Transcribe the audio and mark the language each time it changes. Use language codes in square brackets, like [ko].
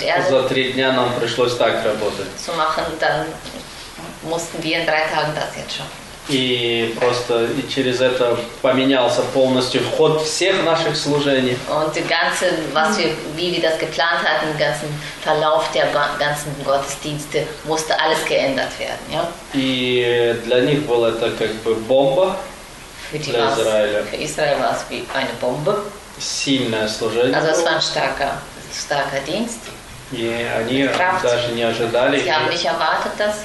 [ru] за три дня нам пришлось так работать. [de] Zu machen, dann mussten wir in drei Tagen das jetzt schon. [ru] И просто и через это поменялся полностью вход всех наших служений. [de] Und die ganze, was wir, wie wir das geplant hatten, den ganzen Verlauf der ganzen Gottesdienste, musste alles geändert werden, ja? [ru] И для них было это как бы бомба для Израиля. [de] Für Israel war es wie eine Bombe. [ru] Сильное служение. [de] Also es war ein starker Dienst. [ru] И они даже не ожидали. [de] Sie haben nicht erwartet, dass...